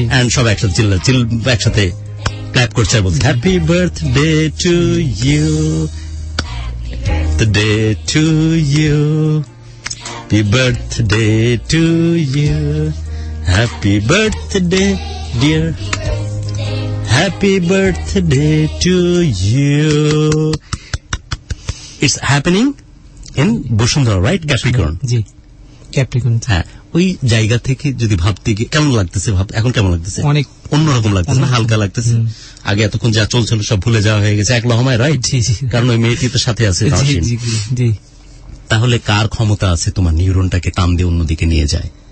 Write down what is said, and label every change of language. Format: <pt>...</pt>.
<en>and</en> <bn>সব একসাথে চিল্লা চিল একসাথে ক্ল্যাপ করছে, বলছে</bn> <en>Happy birthday to you, the day to you, happy birthday to you, happy birthday dear, happy birthday to you. It's happening in Bushundhara, right? Capricorn.</en> <bn>Ji. Capricorn. Ha. ওই জায়গা থেকে যদি ভাবতে গিয়ে কেমন লাগতেছে, এখন কেমন লাগতেছে? অনেক অন্যরকম লাগতেছে না, হালকা লাগতেছে। আগে এতক্ষণ যা চলছিল সব ভুলে যাওয়া হয়ে গেছে, এক লহমায়, রাইট? কারণ ওই মেয়েটি তো সাথে আছে। তাহলে কার ক্ষমতা আছে তোমার নিউরনটাকে কাম দিয়ে অন্যদিকে নিয়ে যায়?</bn>